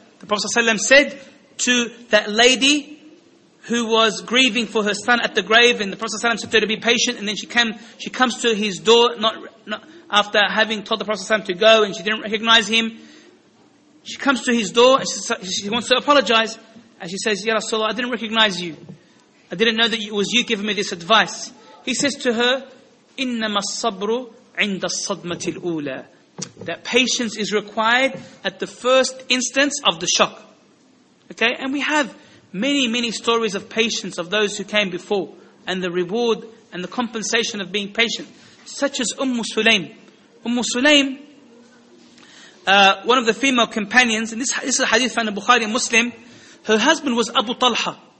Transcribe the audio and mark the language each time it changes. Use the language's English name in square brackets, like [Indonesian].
[English] The Prophet ﷺ said to that lady who was grieving for her son at the grave, and the Prophet ﷺ said to her to be patient, and then she comes to his door, not after having told the Prophet ﷺ to go, and she didn't recognize him. She comes to his door, and she wants to apologize, and she says, Ya Rasulullah, I didn't recognize you. I didn't know that it was you giving me this advice. He says to her, [Arabic] إِنَّمَا الصَّبْرُ عند الصدمة الأولى. [English] That patience is required at the first instance of the shock. Okay, and we have many, many stories of patience of those who came before, and the reward and the compensation of being patient, such as Sulaim. Sulaim, one of the female companions, and this is a hadith from Bukhari Muslim, her husband was Abu Talha.